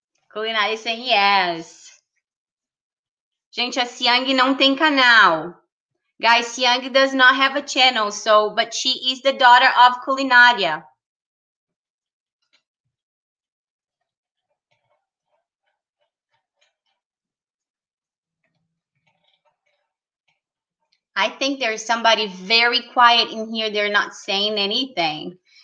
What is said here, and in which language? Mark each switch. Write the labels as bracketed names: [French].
[English] Culinária is saying yes. [Portuguese] Gente, a Siang não tem canal. [English] Guys, Siang does not have a channel, so, but she is the daughter of Culinária. I think there's somebody very quiet in here. They're not saying anything.